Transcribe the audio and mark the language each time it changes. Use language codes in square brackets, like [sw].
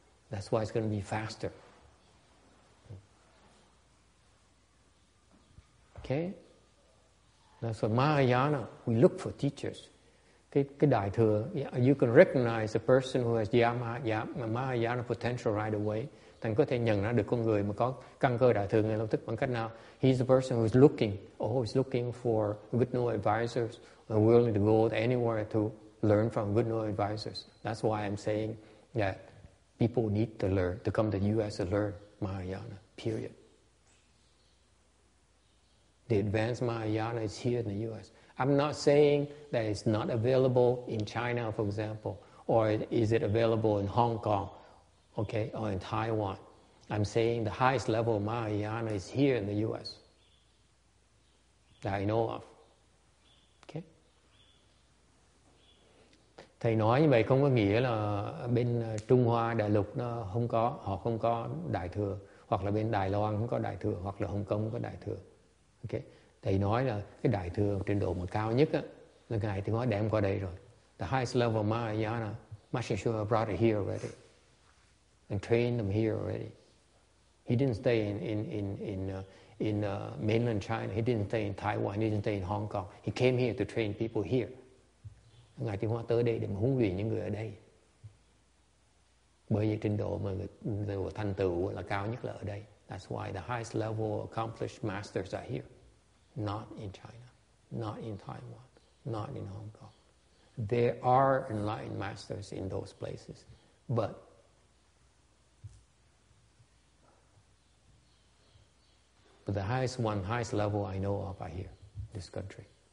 [en] That's why it's going to be faster. Okay? That's what Mahayana, we look for teachers. [vi] Cái đại thừa, [en] you can recognize a person who has Mahayana potential right away. [vi] Thành có thể nhận ra được con người mà có căn cơ đại thừa ngay lập tức bằng cách nào? [en] He's the person who's looking, always looking for good new advisors and willing to go anywhere to learn from good new advisors. That's why I'm saying that people need to learn, to come to the U.S. to learn Mahayana, period. The advanced Mahayana is here in the U.S. I'm not saying that it's not available in China, for example, or is it available in Hong Kong? Okay, or in Taiwan. I'm saying the highest level of Mahayana is here in the U.S. that I know of. Okay. [vi] Thầy nói như vậy không có nghĩa là bên Trung Hoa Đại Lục nó không có, họ không có Đại Thừa, hoặc là bên Đài Loan không có Đại Thừa, hoặc là Hồng Kông không có Đại Thừa. Okay. Thầy nói là cái Đại Thừa trình độ mà cao nhất á, là Ngài Thiên Hóa đem qua đây rồi. [en] The highest level of Mahayana, Master Shua brought it here already and trained them here already. He didn't stay in mainland China. He didn't stay in Taiwan. He didn't stay in Hong Kong. He came here to train people here. [vi] Ngài Thiên Hóa tới đây để huấn luyện những người ở đây. Bởi vì trình độ mà người thành tựu là cao nhất là ở đây. [en] That's why the highest level accomplished masters are here. Not in China. Not in Taiwan. Not in Hong Kong. There are enlightened masters in those places. But the highest one, highest level I know of are here, this country.